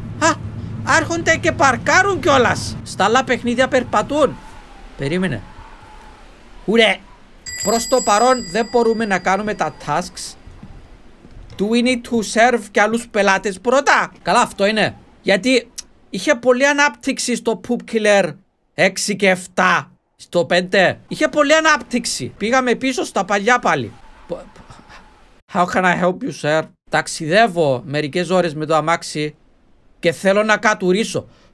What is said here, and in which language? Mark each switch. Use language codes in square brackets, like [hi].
[el] Α, άρχονται και παρκάρουν κιόλας. Στα άλλα παιχνίδια περπατούν. Περίμενε. Ουρε. Προς το παρόν δεν μπορούμε να κάνουμε τα tasks. [en] Do we need to serve [el] κι άλλους πελάτες πρώτα? Καλά, αυτό είναι. Γιατί είχε πολλή ανάπτυξη στο Poop Killer 6 και 7. Στο 5. Είχε πολλή ανάπτυξη. Πήγαμε πίσω στα παλιά πάλι. [en] How can I help you, sir? [el] Ταξιδεύω μερικές ώρες με το αμάξι και θέλω να κατουρίσω.